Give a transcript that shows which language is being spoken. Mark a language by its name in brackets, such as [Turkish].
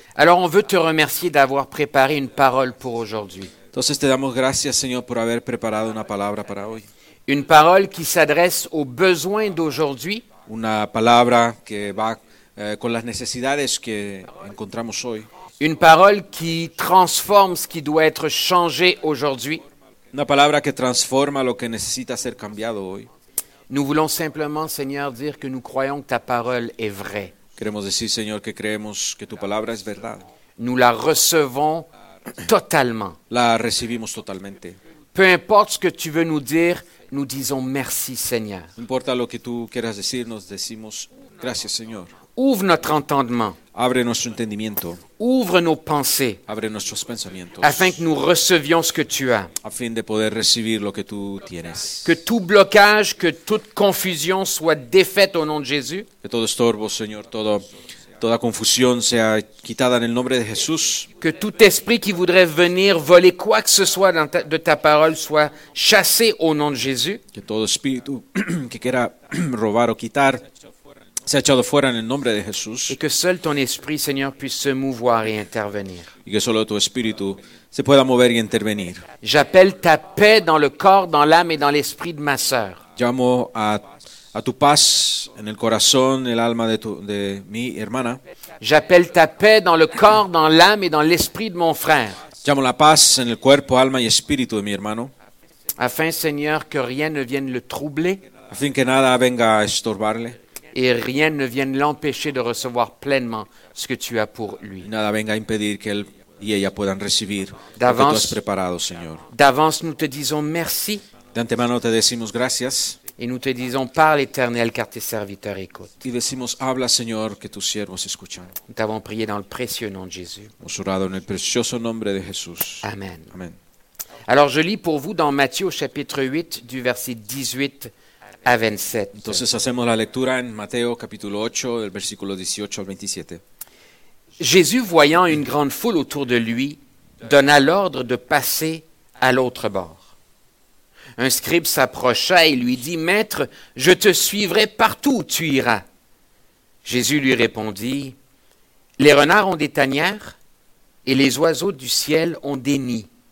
[French] Alors, on veut te remercier d'avoir préparé une parole pour aujourd'hui. [Spanish] Entonces, te damos gracias, Señor, por haber preparado una palabra para hoy. [French] Une parole qui s'adresse aux besoins d'aujourd'hui. [Spanish] Una palabra que va con las necesidades que encontramos hoy. [French] Une parole qui transforme ce qui doit être changé aujourd'hui. [Spanish] Una palabra que transforma lo que necesita ser cambiado hoy. [French] Nous voulons simplement, Seigneur, dire que nous croyons que ta parole est vraie. [Spanish] Queremos decir, Señor, que creemos que tu palabra es verdad. [French] Nous la recevons totalement. [Spanish] La recibimos totalmente. [French] Peu importe ce que tu veux nous dire, nous disons merci, Seigneur. [Spanish] No importa lo que tú quieras decir, nos decimos gracias, Señor. [French] Ouvre notre entendement. [Spanish] Abre nuestro entendimiento. [French] Ouvre nos pensées. [Spanish] Abre nuestros pensamientos. [French] Afin que nous recevions ce que tu as. [Spanish] Afin de poder recibir lo que tú tienes. [French] Que tout blocage, que toute confusion soit défaite au nom de Jésus. [Spanish] Que todo estorbo, Señor, todo. Toda confusión sea quitada en el nombre de Jesús. [French] Que tout esprit qui voudrait venir voler quoi que ce soit de ta parole soit chassé au nom de Jésus. [Spanish] Que todo espíritu que quiera robar o quitar sea echado fuera en el nombre de Jesús. [French] Et que seul ton esprit, Seigneur, puisse se mouvoir et intervenir. [Spanish] Y que solo tu espíritu se pueda mover y intervenir. [French] J'appelle ta paix dans le corps, dans l'âme et dans l'esprit de ma sœur. [Spanish] Llamo a tu paz en el corazón, el alma de mi hermana. [French] J'appelle ta paix dans le corps, dans l'âme et dans l'esprit de mon frère. [Spanish] Llamo la paz en el cuerpo, alma y espíritu de mi hermano. [French] Afin, Seigneur, que rien ne vienne le troubler. [Spanish] Afin que nada venga a estorbarle. [French] Et rien ne vienne l'empêcher de recevoir pleinement ce que tu as pour lui. [Spanish] Nada venga a impedir que él y ellas puedan recibir [French] d'avance, [Spanish] lo que tú has preparado, Señor. [French] D'avance, nous te disons merci. [Spanish] D'antemano te decimos gracias. [French] Et nous te disons, parle, Éternel, car tes serviteurs écoutent. [Spanish] Y decimos, habla, Señor, que tus siervos escuchan. [French] Nous t'avons prié dans le précieux nom de Jésus. [Spanish] Hemos orado en el precioso nombre de Jesús. [French] Amen. [Spanish] Amen. [French] Alors, je lis pour vous dans Matthieu, chapitre 8, du verset 18 à 27. [Spanish] Entonces, hacemos la lectura en Mateo, capítulo 8, del versículo 18 al 27. [French] Jésus, voyant une grande foule autour de lui, donna l'ordre de passer à l'autre bord. Un scribe s'approcha et lui dit, « Maître, je te suivrai partout où tu iras. » Jésus lui répondit, « Les renards ont des tanières et les oiseaux du ciel ont des nids.